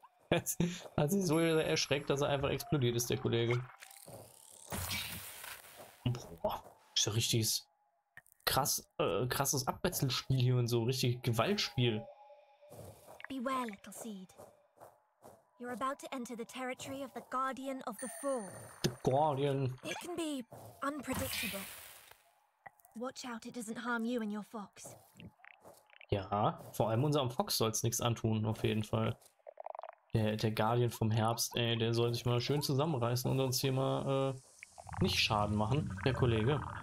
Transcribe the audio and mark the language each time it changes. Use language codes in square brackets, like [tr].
[de] Hat sich so erschreckt, dass er einfach explodiert ist, der Kollege. Boah, ist ja richtiges krasses Abwechselspiel hier und so, richtig Gewaltspiel. [en] Beware, little seed. You're about to enter the territory of the Guardian of the Fall. The Guardian. It can be unpredictable. Watch out, it doesn't harm you and your fox. [de] Ja, vor allem unserem Fox soll es nichts antun, auf jeden Fall. Der Guardian vom Herbst, ey, der soll sich mal schön zusammenreißen und uns hier mal nicht Schaden machen, der Kollege.